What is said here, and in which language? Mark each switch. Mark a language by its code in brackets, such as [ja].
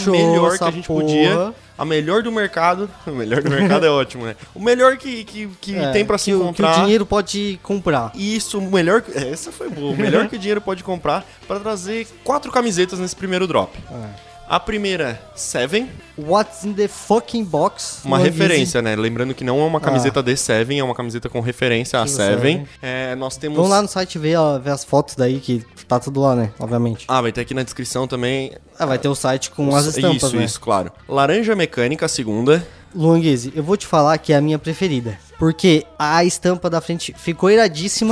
[pt] e fez a melhor que a gente porra podia. A melhor do mercado. O melhor do mercado é ótimo, né? O melhor que tem pra que se encontrar. Que o dinheiro pode comprar. Isso, o melhor... essa foi boa. O melhor que o dinheiro pode comprar pra trazer 4 camisetas nesse primeiro drop. É. A primeira, 7. [en] What's in the fucking box? [pt] Uma referência, né? Lembrando que não é uma camiseta de 7, é uma camiseta com referência a 7. É, nós temos... vamos lá no site ver as fotos daí, que tá tudo lá, né? Obviamente. Ah, vai ter aqui na descrição também. Ah, vai ter o site com as estampas, isso, né? Isso, claro. Laranja mecânica, segunda. Luan Guizzi, eu vou te falar que é a minha preferida. Porque a estampa da frente ficou iradíssima.